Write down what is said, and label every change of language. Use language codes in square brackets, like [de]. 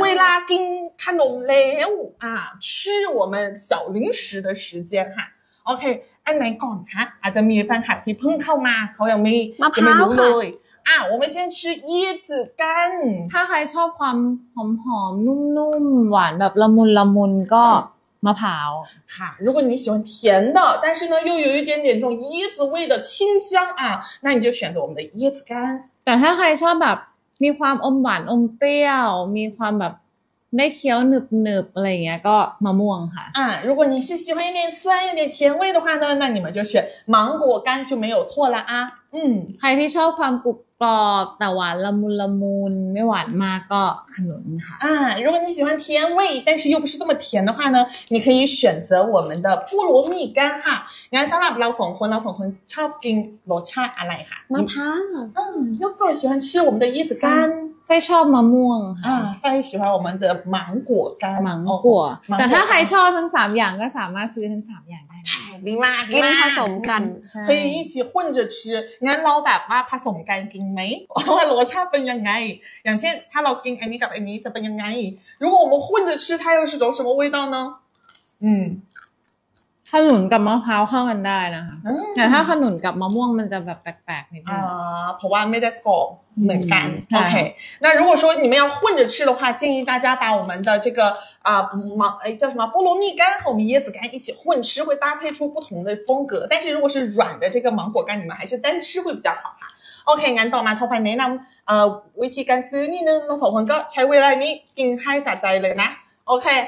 [zh] 薇拉丁看浓烈舞啊吃我们小零食的时间哈 [th] OK, อันไหนก่อนคะอาจจะมีแฟนคลับที่เพิ่งเข้ามาเขายังไม่ ยัง ไม่ รู้ เลยอ่ะเราไม่ [zh] 先吃椰子干 [th] ถ้าใครชอบความหอมหอมนุ่มนุ่มหวานแบบละมุนละมุนก็มะพร้าว [zh] ค่ะ如果你喜欢甜的但是呢又有一点点这种椰子味的清香啊那你就选择我们的椰子干 [th] แต่ถ้าใครชอบแบบมีความอมหวานอมเปรี้ยวมีความแบบได้เคี้ยวหนึบหนึบอะไรอย่างเงี้ยก็มะม่วงค่ะ [zh] อ่า如果你是喜欢一点酸一点甜味的话呢那你们就选芒果干就没有错了啊 [th] ใครที่ชอบความกรุบกรอบแต่หวานละมุนละมุนไม่หวานมากก็ขนุนค่ะ ถ้าคุณ [zh] 喜欢甜味但是又不是这么甜的话呢你可以选择我们的菠萝蜜干 [th] ค่ะงั้นสําหรับเรา2คนเรา2คนชอบกินรสชาติอะไรค่ะ มะพร้าว ยกตัว [zh] 喜欢吃我们的椰子干 [th] ใครชอบมะม่วง ใคร [zh] 喜欢我们的芒果干 [th] 芒果แต่ถ้าใครชอบทั้ง3อย่างก็สามารถซื้อทั้ง3อย่างได้ ดีมาก กินผสมกัน คือ [zh] 一起混着吃 [th] งั้นเราแบบว่าผสมกันกินไหมว่ารสชาติเป็นยังไงอย่างเช่นถ้าเรากินอันนี้กับอันนี้จะเป็นยังไง [zh] 如果我们混着吃它又是种什么味道呢 [th] ขนุนกับมะพร้าวเข้ากันได้นะคะแต่ถ้าขนุนกับมะม่วงมันจะแบบแปลกๆนิดนึง เพราะว่าไม่ได้กรอบเหมือนกันโอเค 那如果说你们要混着吃的话建议大家把我们的这个叫什么菠萝蜜干和我们椰子干一起混吃会搭配出不同的风格但是如果是软的这个芒果干你们还是单吃会比较好啊 โอเคงั้นต่อมาทอฟายแนะนำวิธีการซื้อนี่นึงเราสองคนก็ใช้เวลานี้กินให้สะใจเลยนะOK,